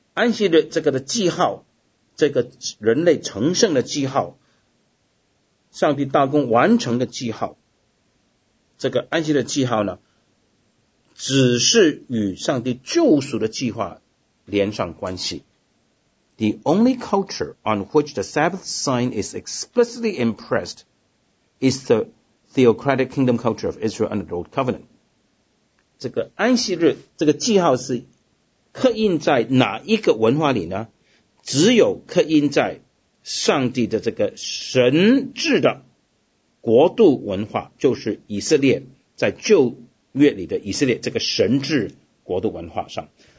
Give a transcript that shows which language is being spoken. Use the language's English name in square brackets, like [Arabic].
[Chinese] 安息日这个的记号，这个人类成圣的记号，上帝大功完成的记号，这个安息日的记号呢，只是与上帝救赎的计划连上关系。 [English] The only culture on which the Sabbath sign is explicitly impressed is the theocratic kingdom culture of Israel under the Old Covenant. [Chinese] 这个安息日这个记号是刻印在哪一个文化里呢？只有刻印在上帝的这个神治的国度文化，就是以色列，在旧约里的以色列这个神治国度文化上。